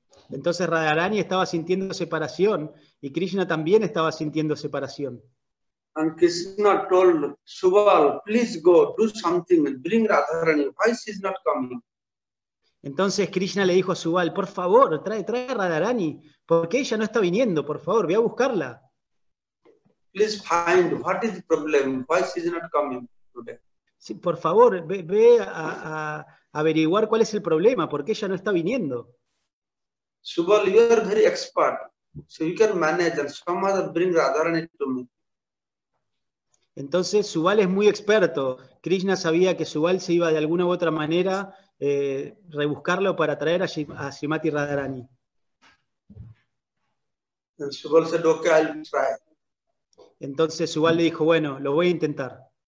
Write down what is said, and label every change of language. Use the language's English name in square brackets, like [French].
[Spanish] Entonces Radharani estaba sintiendo separación y Krishna también estaba sintiendo separación. [English] And Krishna told Subal, please go, do something, bring Radharani. Why she is not coming? [Spanish] Entonces Krishna le dijo a Subal, por favor, trae a Radharani. ¿Por qué ella no está viniendo? Por favor, ve a buscarla. [English] Please find, what is the problem? Why she is not coming today? [Spanish] Sí, por favor, ve a averiguar cuál es el problema. ¿Por qué ella no está viniendo? [English] Subal, you are very expert. So you can manage and somehow bring Radharani to me. [Spanish] Entonces Subal es muy experto. Krishna sabía que Subal se iba de alguna u otra manera rebuscarlo para traer a Srimati Radharani. [English] And Subal said, okay, I'll try. [Spanish] Entonces Subal le dijo, bueno, lo voy a intentar.